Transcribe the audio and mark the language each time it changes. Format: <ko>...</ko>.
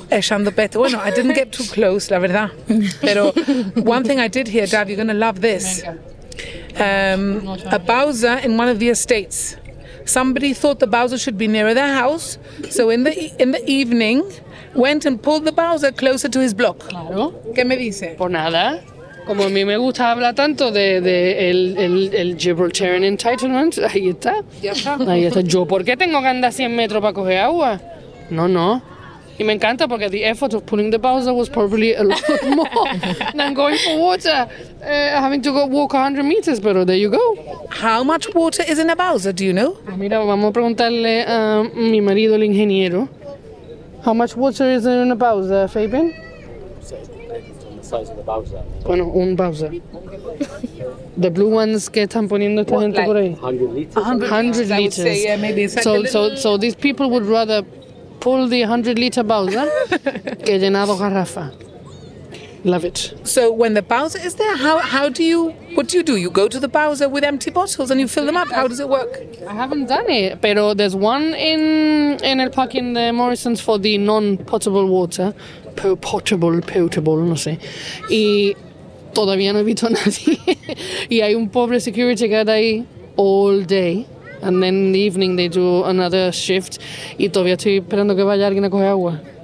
<en>Bueno, I didn't get too close,</en> <es>la verdad.</es> <en>Pero one thing I did hear, Dav, you're going to love this. A Bowser in one of the estates. Somebody thought the Bowser should be nearer their house, so in the evening, went and pulled the Bowser closer to his block.</en> <es>Claro. ¿Qué me dice? Por nada. Como a mí me gusta hablar tanto de el Gibraltarian entitlement, ahí está. Yo, ¿por qué tengo que andar 100 metros para coger agua? No. Y me encanta porque</es> <en>the effort of pulling the Bowser was probably a lot more than going for water, having to go walk 100 meters,</en> <es>pero</es> <en>there you go. How much water is in a Bowser, do you know?</en> <es>Mira, vamos a preguntarle a mi marido, el ingeniero.</es> <en>How much water is in a Bowser, Fabian? Size of the Bowser.</en> <es>Bueno, un Bowser.</es> <en>The blue ones</en> <es>que están poniendo esta gente por ahí.</es> <en>100 liters. Say, yeah, maybe it's so these people would rather pull the 100 liter Bowser</en> <es>que llenado garrafa.</es> <en>Love it. So when the Bowser is there, how do you, what do you do? You go to the Bowser with empty bottles and you fill them up. How does it work? I haven't done it,</en> <es>pero</es> <en>there's one in</en> <es>el parque</es> <en>in the Morrisons for the non-potable water.</en> <es>Potable, no sé. Y todavía no he visto a nadie. Y hay un pobre</es> <en>security guard</en> <es>ahí</es> <en>all day. And then in the evening they do another shift.</en> <es>Y todavía estoy esperando que vaya alguien a coger agua.</es>